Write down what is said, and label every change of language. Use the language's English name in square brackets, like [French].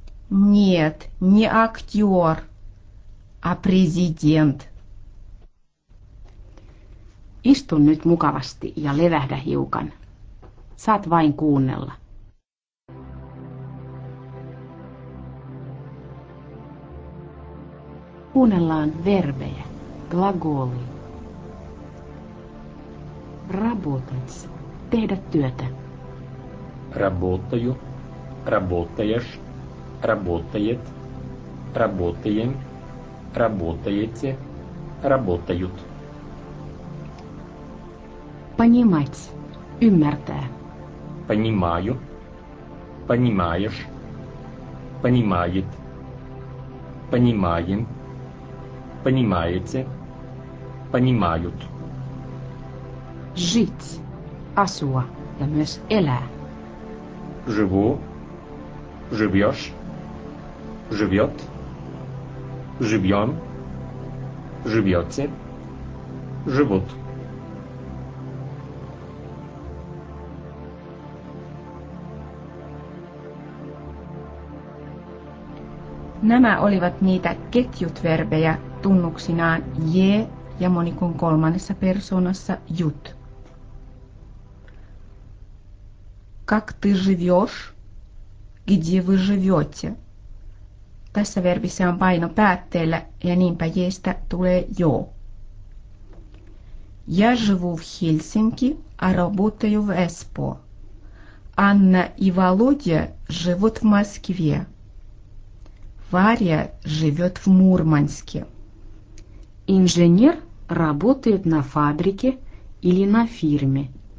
[Russian] Нет, не актер, а президент. [Finnish] Istu nyt mukavasti ja levähdä hiukan. Saat vain kuunnella. Kuunnellaan verbejä, glagoli. [Russian] Работать, [Finnish] tehdä työtä. [Russian] Работаю, работаешь, работает, работаем, работаете, работают. Понимать, [Finnish] ümmärtää. [Russian] Понимаю, понимаешь, понимает, понимаем, понимаете, понимают. Жить, [Finnish] asua ja myös elää. [Russian] Живу, живешь, живет, живем, живете, живут. [Finnish] Nämä olivat niitä ketjut verbejä tunnuksinaan je ja monikon kolmannessa persoonassa jut. [Russian] Как ты живешь? Где вы живете? [Finnish] Tässä verbissä on paino päätteellä ja niinpä jeestä tulee jo. [Russian] Я живу в Хельсинки, а работаю в Эспо. Анна и Володя живут в Москве. Варя живет в Мурманске. Инженер работает на фабрике или на фирме.